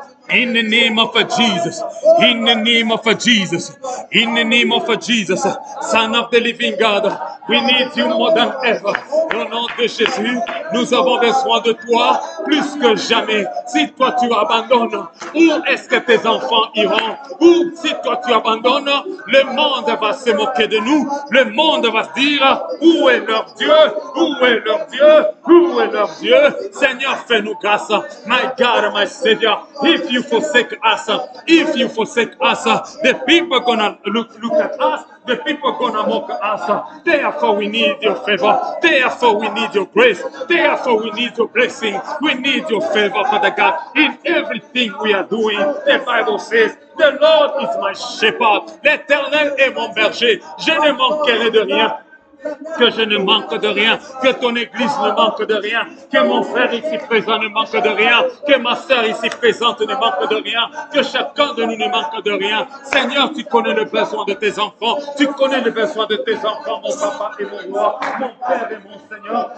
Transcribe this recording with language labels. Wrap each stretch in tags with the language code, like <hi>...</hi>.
<en>In the name of Jesus, in the name of Jesus, in the name of Jesus, Son of the living God, we need you more than ever.</en> <fr>Au nom de Jésus, Nous avons besoin de toi plus que jamais. Si toi tu abandonnes, où est-ce que tes enfants iront? Ou si toi tu abandonnes, le monde va se moquer de nous. Le monde va se dire, où est leur Dieu? Où est leur Dieu? Où est leur Dieu? Seigneur, fais-nous grâce.</fr> <en>My God, my Savior, if you forsake us, if you forsake us, the people gonna look at us. The people gonna mock us. Therefore, we need your favor. Therefore, we need your grace. Therefore, we need your blessing. We need your favor, Father God, in everything we are doing. The Bible says, the Lord is my shepherd.</en> <fr>L'Éternel est mon berger. Je ne manquerai de rien. Que je ne manque de rien, que ton église ne manque de rien, que mon frère ici présent ne manque de rien, que ma soeur ici présente ne manque de rien, que chacun de nous ne manque de rien. Seigneur, tu connais le besoin de tes enfants, tu connais le besoin de tes enfants, mon papa et mon roi, mon père et mon Seigneur.</fr>